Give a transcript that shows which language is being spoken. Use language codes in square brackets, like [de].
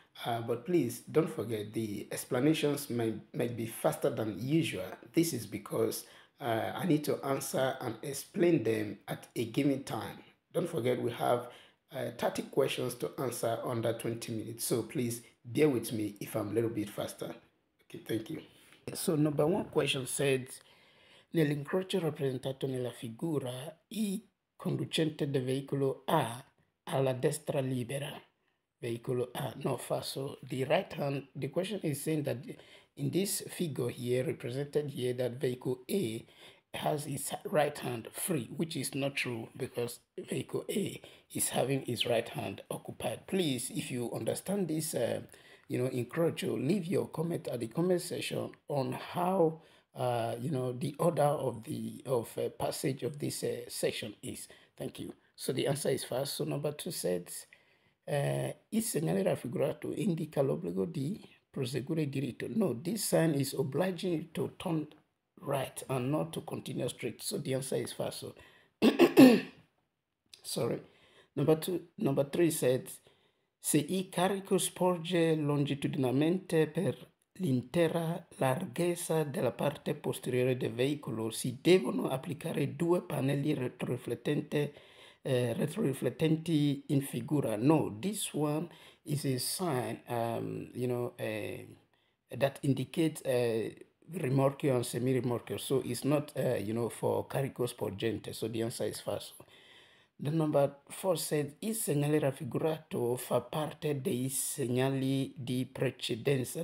[en] But please don't forget the explanations might be faster than usual. This is because I need to answer and explain them at a given time. Don't forget we have 30 questions to answer under 20 minutes. So please bear with me if I'm a little bit faster. Okay, thank you. So number one question said, [it] nell'incrocio rappresentato nella figura, il conducente del veicolo A alla destra libera. Veicolo A, no, falso. [en] The right hand, the question is saying that in this figure here, represented here, that vehicle A has its right hand free, which is not true because vehicle A is having his right hand occupied. Please, if you understand this, incrocio, leave your comment at the comment section on how, the order of the passage of this section is. Thank you. So the answer is false. So number two says, [it] il segnale raffigurato indica l'obbligo di proseguire diritto. [en] No, this sign is obliging you to turn right and not to continue straight. So the answer is false. So sorry. Number three said, [it] se il carico sporge longitudinalmente per l'intera larghezza della parte posteriore del veicolo, si devono applicare due pannelli retroriflettenti in figura. [en] No, this one is a sign, that indicates rimorchio and semi-rimorchio. So it's not, for carico sporgente. So the answer is false. The number four said, [it] il segnale raffigurato fa parte dei segnali di precedenza.